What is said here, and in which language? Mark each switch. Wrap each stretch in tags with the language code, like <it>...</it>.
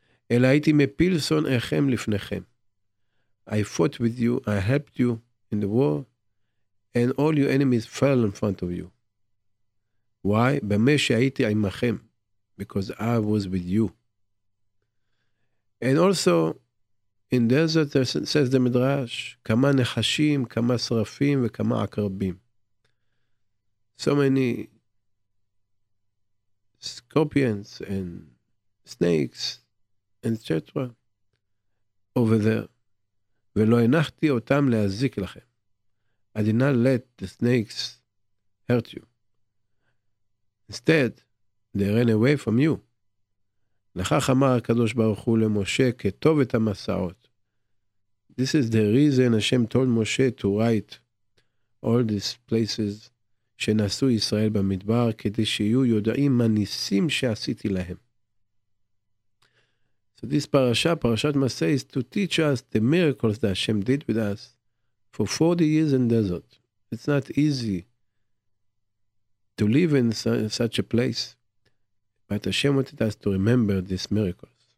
<he>אלא הייתי מפיל שונאיכם לפניכם.</he> <en>I fought with you, I helped you in the war, and all your enemies fell in front of you. Why?</en> <he>במה שהייתי עמכם.</he> <en>Because I was with you. And also, in desert, says the Midrash,</en> <he>כמה נחשים, כמה שרפים וכמה עקרבים.</he> <en>So many scorpions and snakes, etc. over there.</en> <he>ולא הנחתי אותם להזיק לכם.</he> <en>I did not let the snakes hurt you. Instead, they ran away from you.</en> <he>לכך אמר הקדוש ברוך הוא למשה כתוב את המסעות.</he> <en>This is the reason Hashem told Moshe to write all these places</en> <he>שנעשו ישראל במדבר כדי שיהיו יודעים מה ניסים שעשיתי להם.</he> <en>So this parasha, parashat Masai, is to teach us the miracles that Hashem did with us for 40 years in desert. It's not easy to live in such a place. But Hashem wanted us to remember these miracles.</en>